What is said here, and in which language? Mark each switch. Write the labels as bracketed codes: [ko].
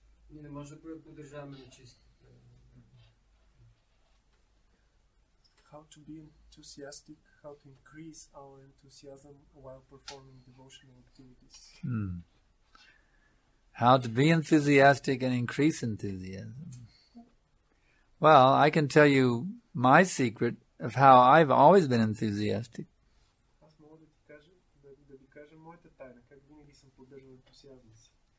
[bg] Ние не можем да поддържаваме нечистите. [en] How to be enthusiastic, how to increase our enthusiasm while performing devotional activities. How to be enthusiastic and increase enthusiasm. Well, I can tell you my secret of how I've always been enthusiastic. [bg] Аз мога да ти кажа, да ви кажа моята тайна, как винаги съм поддържал ентусиазма си.